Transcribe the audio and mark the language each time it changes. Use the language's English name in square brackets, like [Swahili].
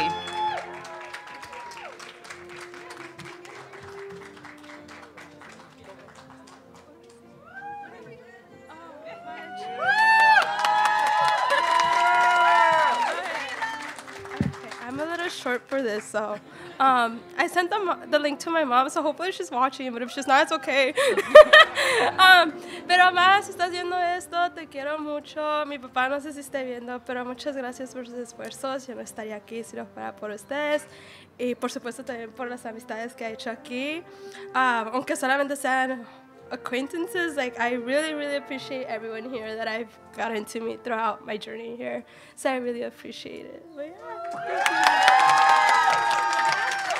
[English] Okay, I'm a little short for this, so. I sent the link to my mom, so hopefully she's watching, but if she's not, it's okay. [Spanish] Pero mamá, si estás viendo esto, te quiero mucho. Mi papá no sé si esté viendo, pero muchas gracias por sus esfuerzos. Yo no estaría aquí si no fuera por ustedes. Y por supuesto también por las amistades que he hecho aquí. Aunque solamente sean [English] acquaintances, like, I really, really appreciate everyone here that I've gotten to meet throughout my journey here. So I really appreciate it. But yeah, thank you.